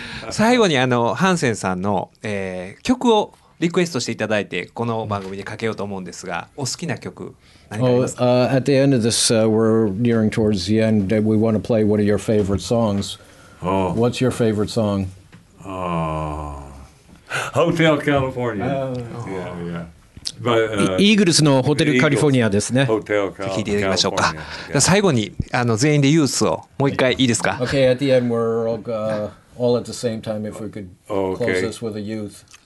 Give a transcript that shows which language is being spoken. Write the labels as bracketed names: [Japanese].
[Japanese] 最後にあのハンセンさんの、曲をリクエストしていただいてこの番組でかけようと思うんですが、お好きな曲何かありますか？ [English] At the end of this, we're nearing towards the end. We want to play one of your favorite songs. What's your favorite song? Hotel California. [Japanese] イーグルスのホテルカリフォルニアですね。聞いていただきましょうか。最後にあの全員でユースをもう一回いいですか。 [English] Okay, at the end we're all at the same time if we could close this with a youth.